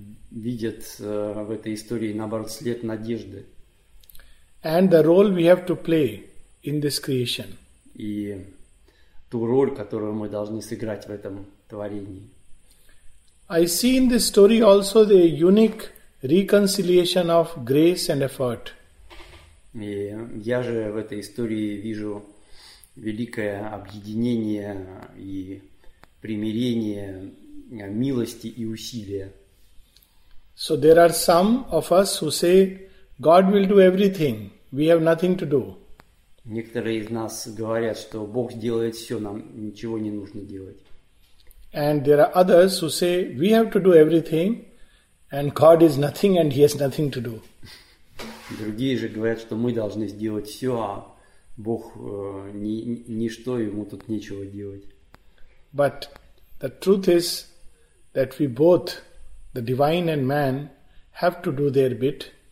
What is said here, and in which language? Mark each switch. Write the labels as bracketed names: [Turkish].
[Russian] видят в этой истории, наоборот, след надежды, [English] and the role we have to play in this creation. [Russian] И ту роль, которую мы должны сыграть в этом творении. [English] I see in this story also the unique reconciliation of grace and effort. [Russian] И я же в этой истории вижу великое объединение и примирение милости и усилия. [English] So there are some of us who say, God will do everything, we have nothing to do. [Russian] Некоторые из нас говорят, что Бог сделает все, нам ничего не нужно делать. [English] And there are others who say, we have to do everything, and God is nothing, and he has nothing to do. [Russian] Другие же говорят, что мы должны сделать все, а Бог ничто, ему тут нечего делать. [English] But the truth is that we both, the divine and man, have to do their bit.